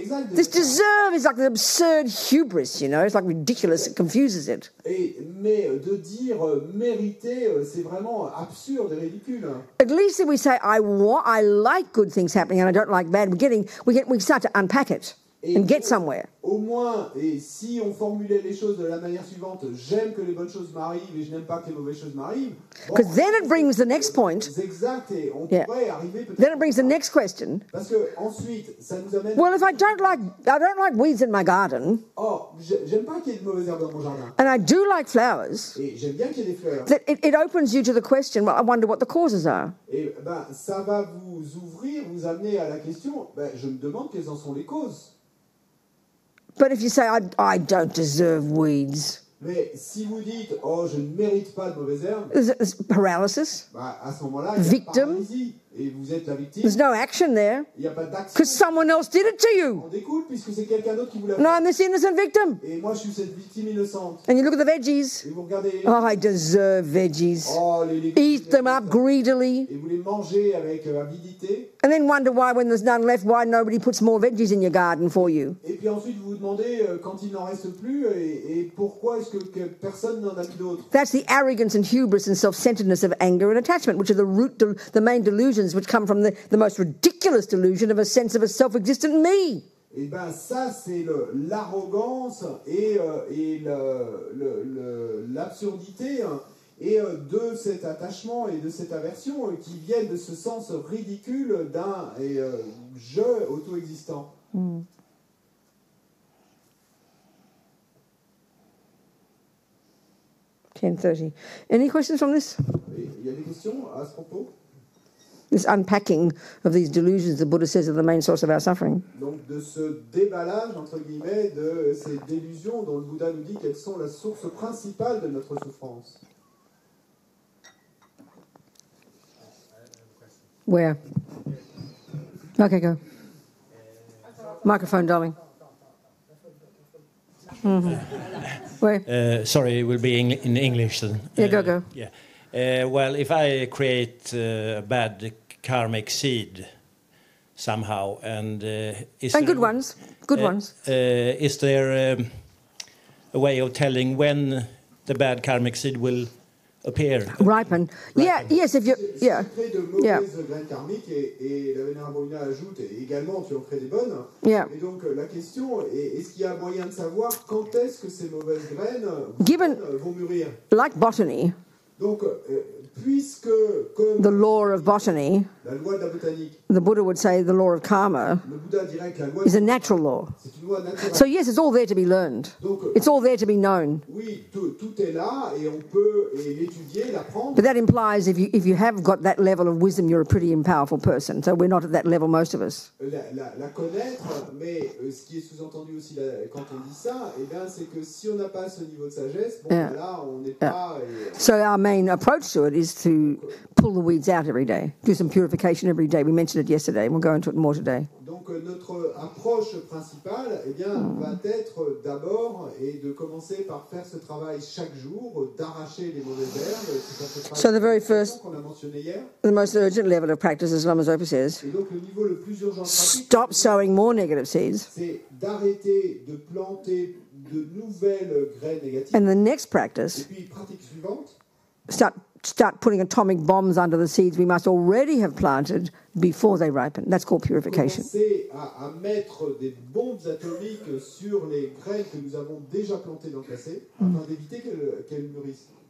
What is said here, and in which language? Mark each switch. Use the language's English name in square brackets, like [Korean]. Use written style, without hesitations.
[English] This deserve is like an absurd hubris, you know. It's like ridiculous. It confuses it. At least if we say, I like good things happening and I don't like bad, we start to unpack it. and get somewhere. [French] Au moins, et si on formulait les choses de la manière suivante, j'aime que les bonnes choses m'arrivent et je n'aime pas que les mauvaises choses m'arrivent. [English] Because then it brings the next point. [French] Exact, et on yeah. pourrait arriver peut-être. [English] Then it brings the next question. [French] Parce que ensuite, ça nous amène. [English] Well, if I don't like weeds in my garden. [French] Oh, j'aime pas qu'il y ait de mauvaises herbes dans mon jardin. [English] And I do like flowers. [French] Et j'aime bien qu'il y ait des fleurs. [English] That it opens you to the question. Well, I wonder what the causes are. [French] Et ben, ça va vous ouvrir, vous amener à la question. Ben, je me demande quelles en sont les causes. [English] But if you say, I don't deserve weeds. [French] Mais si vous dites, oh, je ne mérite pas de mauvaises herbes. [English] There's paralysis. [French] Bah, à ce moment-là, [English] victim. [French] Il y a paralysie, et vous êtes la victime. [English] There's no action there. [French] Il y a pas d'action. [English] Because someone else did it to you. [French] On découle, puisque c'est quelqu'un d'autre qui vous l'a [English] fait. No, I'm this innocent victim. [French] Et moi, je suis cette victime innocente. [English] And you look at the veggies. [French] Et vous regardez. [English] Oh, I deserve veggies. [French] Oh, les légumes. [English] Eat them up greedily. [French] Et vous les mangez avec avidité. [English] And then wonder why, when there's none left, why nobody puts more veggies in your garden for you. [French] Et puis ensuite, vous vous demandez quand il n'en reste plus et pourquoi est-ce que personne n'en a plus d'autres. [English] That's the arrogance and hubris and self-centeredness of anger and attachment, which are the root, the main delusions, which come from the most ridiculous delusion of a sense of a self-existent me. [French] Et ben ça, c'est l'arrogance et le l'absurdité. Hein. Et de cet attachement et de cette aversion qui viennent de ce sens ridicule d'un et je auto-existant. Mm. [English] Any questions from this? [French] Il y a des questions à ce propos? [English] This unpacking of these delusions, the Buddha says, are the main source of our suffering. [French] Donc de ce déballage, entre guillemets, de ces délusions dont le Bouddha nous dit qu'elles sont la source principale de notre souffrance. [English] Where? Okay, go. Microphone, darling. Mm-hmm. Where? Sorry, it will be in English then. Yeah, go. Yeah. Well, if I create a bad karmic seed somehow, and is and good ones, good ones. Is there a way of telling when the bad karmic seed will appear? Ripen. Yeah, yes, if you... Yeah. [French] Si tu crées de mauvaises graines karmiques, et la Vénérable Robina ajoute, et également tu en crées des bonnes, [English] yeah. [French] Et donc la question est-ce qu'il y a moyen de savoir quand est-ce que ces mauvaises graines vont mûrir? [English] Like botany, [French] donc, puisque, comme [English] the law of botany, [French] la loi de la botanique, [English] the Buddha would say the law of karma, [French] le Bouddha dirait que la loi [English] is a natural law. [French] C'est une loi naturelle. [English] So yes, it's all there to be learned. [French] Donc, [English] it's all there to be known. [French] Oui, tout est là et on peut l'étudier, l'apprendre. [English] But that implies if you have got that level of wisdom, you're a pretty and powerful person. So we're not at that level, most of us. [French] La connaître, mais ce qui est sous-entendu aussi quand on dit ça, eh bien, c'est que si on n'a pas ce niveau de sagesse, bon, yeah. Là, on n'est yeah. pas. [English] So our main approach to it is to pull the weeds out every day, do some purification every day. We mentioned it yesterday, and we'll go into it more today. [French] Donc notre approche principale, eh bien, va être d'abord et de commencer par faire ce travail chaque jour, d'arracher les mauvaises herbes. [English] So the very first, [French] qu'on a mentionné hier, [English] the most urgent level of practice, as Lama Zopa says, [French] et donc, le niveau le plus urgent de pratique, [English] stop sowing more negative seeds. [French] C'est d'arrêter de planter de nouvelles graines négatives. [English] And the next practice, [French] et puis pratique suivante, [English] start putting atomic bombs under the seeds we must already have planted before they ripen. That's called purification. [French] Commencer à mettre des bombes atomiques sur les graines que nous avons déjà plantées dans le passé afin d'éviter qu'elles mûrissent.